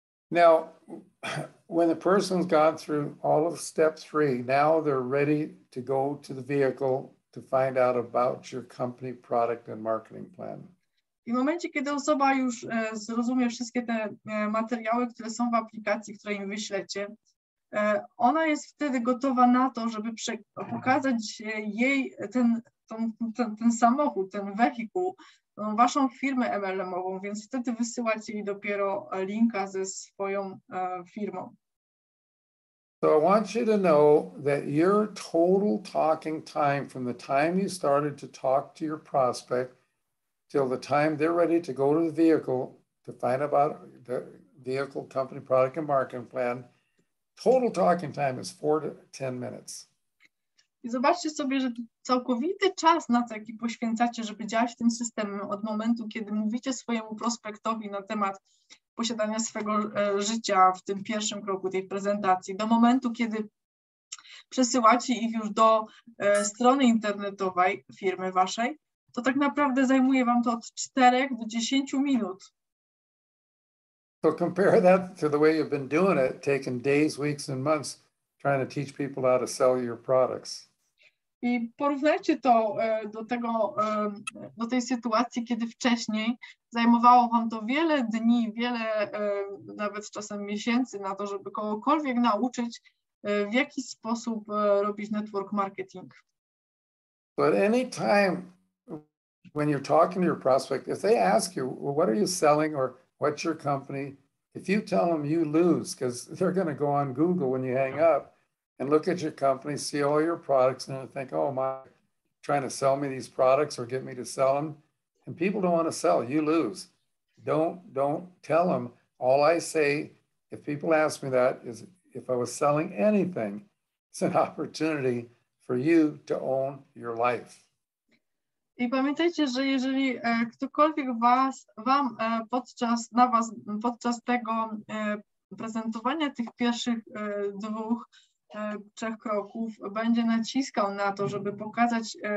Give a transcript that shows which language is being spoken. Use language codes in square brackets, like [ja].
[en] Now, when the person's gone through all of step 3, now they're ready to go to the vehicle to find out about your company product and marketing plan. [pl] W momencie, kiedy osoba już zrozumie wszystkie te materiały, które są w aplikacji, które im wyślecie, ona jest wtedy gotowa na to, żeby pokazać jej ten samochód, ten wehikuł, waszą firmę MLM-ową, więc wtedy wysyłacie jej dopiero linka ze swoją firmą. [en] So I want you to know that your total talking time from the time you started to talk to your prospect till the time they're ready to go to the vehicle to find about the vehicle, company, product, and marketing plan, total talking time is 4 to 10 minutes. [pl] I zobaczcie sobie, że całkowity czas, na to, jaki poświęcacie, żeby działać tym systemem od momentu, kiedy mówicie swojemu prospektowi na temat posiadania swojego życia w tym pierwszym kroku tej prezentacji, do momentu, kiedy przesyłacie ich już do strony internetowej firmy waszej, to tak naprawdę zajmuje wam to od 4 do 10 minut. [en] So compare that to the way you've been doing it, taking days, weeks and months trying to teach people how to sell your products. [pl] I porównajcie to do tego, do tej sytuacji, kiedy wcześniej zajmowało wam to wiele dni, wiele nawet czasem miesięcy na to, żeby kogokolwiek nauczyć, w jaki sposób robić network marketing. [en] But any time when you're talking to your prospect, if they ask you, well, what are you selling or what's your company, if you tell them, you lose, because they're going to go on Google when you hang up and look at your company, see all your products, and think, oh, am I trying to sell me these products or get me to sell them? And people don't want to sell. You lose. Don't tell them. All I say, if people ask me that, is if I was selling anything, it's an opportunity for you to own your life. [pl] I pamiętajcie, że jeżeli ktokolwiek podczas tego prezentowania tych pierwszych dwóch, trzech kroków będzie naciskał na to, żeby pokazać